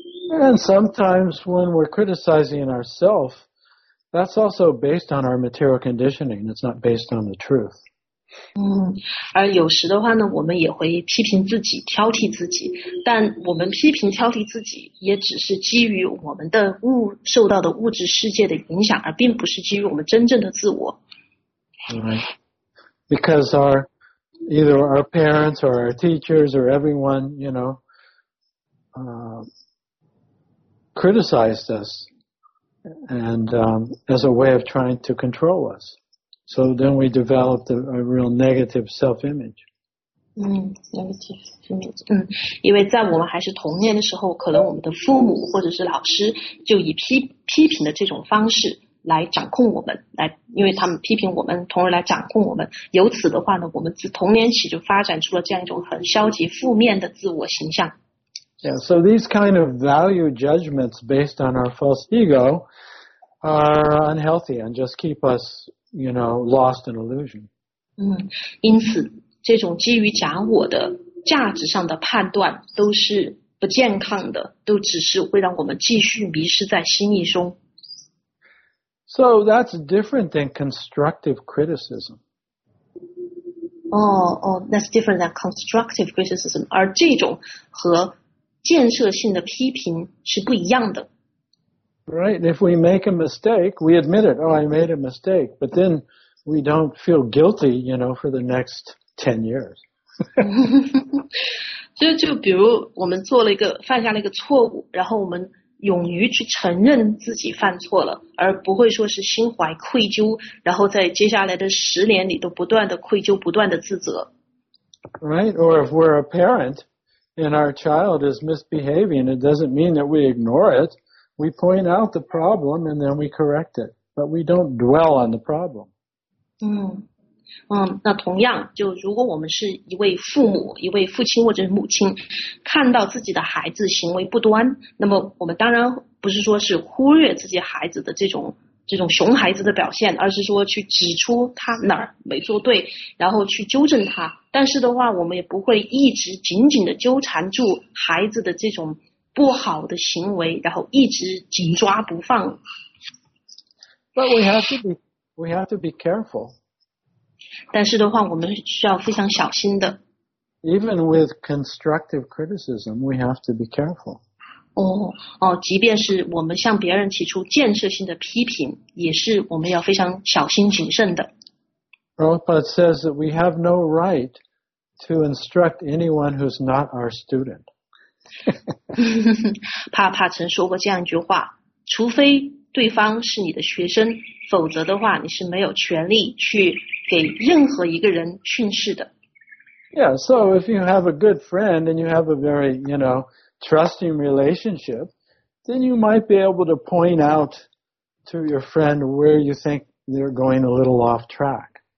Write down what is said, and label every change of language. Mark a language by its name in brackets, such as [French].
[English] And sometimes when we're criticizing ourselves, that's also based on our material conditioning. It's not based on the truth. [Chinese] 而有时的话呢，我们也会批评自己，挑剔自己。但我们批评挑剔自己，也只是基于我们的受到的物质世界的影响，而并不是基于我们真正的自我。 [English] Right. Because either our parents or our teachers or everyone, you know, criticized us and as a way of trying to control us. So then we developed a real negative self-image. Negative image. [Chinese] 因为在我们还是童年的时候，可能我们的父母或者是老师就以批评的这种方式来掌控我们，因为他们批评我们，从而来掌控我们。由此的话呢，我们自童年起就发展出了这样一种很消极负面的自我形象。 [English] Yeah, so these kind of value judgments based on our false ego are unhealthy and just keep us, you know, lost in illusion. [Chinese] 因此这种基于假我的价值上的判断都是不健康的，都只是会让我们继续迷失在心意中。 [English] So that's different than constructive criticism. Oh, that's different than constructive criticism. [Chinese] 而这种和建设性的批评是不一样的。 [English] Right, if we make a mistake, we admit it. Oh, I made a mistake. But then we don't feel guilty, you know, for the next 10 years. [Chinese] 就比如我们犯下了一个错误，然后我们勇于去承认自己犯错了，而不会说是心怀愧疚，然后在接下来的十年里都不断的愧疚，不断的自责。 [English] Right, or if we're a parent,And our child is misbehaving, it doesn't mean that we ignore it. We point out the problem and then we correct it. But we don't dwell on the problem. [Chinese] 那同样，就如果我们是一位父母，一位父亲或者母亲，看到自己的孩子行为不端，那么我们当然不是说是忽略自己孩子的这种熊孩子的表现，而是说去指出他哪儿没做对，然后去纠正他。但是的话，我们也不会一直紧紧的纠缠住孩子的这种不好的行为，然后一直紧抓不放。 [English] But we have to be careful. [Chinese] 但是的话，我们需要非常小心的。 [English] Even with constructive criticism, we have to be careful. [Chinese] 即便是我们向别人提出建设性的批评，也是我们要非常小心谨慎的。 [English] Prabhupada says that we have no right to instruct anyone who's not our student. [Chinese] 帕帕曾说过这样一句话，除非对方是你的学生，否则的话你是没有权利去给任何一个人训斥的。 [English] Yeah, so if you have a good friend and you have a very, you know,trusting relationship, then you might be able to point out to your friend where you think they're going a little off track.